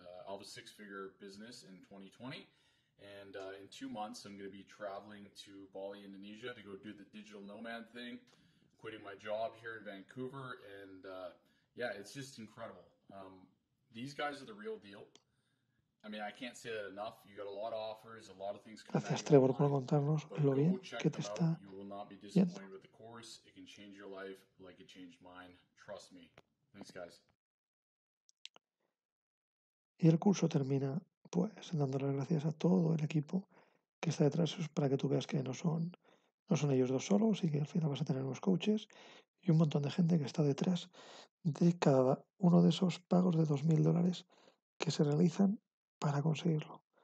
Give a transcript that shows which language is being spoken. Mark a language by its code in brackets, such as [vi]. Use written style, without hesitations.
[en] A six-figure business in 2020, and in 2 months I'm going to be traveling to Bali, Indonesia, to go do the digital nomad thing, quitting my job here in Vancouver, and it's just incredible. These guys are the real deal. I mean, I can't say that enough. You got a lot of offers, a lot of things. [es] Gracias, Trevor, por contarnos lo bien que te está. [en] You will not be disappointed with the course. It can change your life like it changed mine. Trust me. Thanks, guys. [es] Y el curso termina pues dándole las gracias a todo el equipo que está detrás es para que tú veas que no son ellos dos solos y que al final vas a tener unos coaches y un montón de gente que está detrás de cada uno de esos pagos de $2,000 que se realizan para conseguirlo.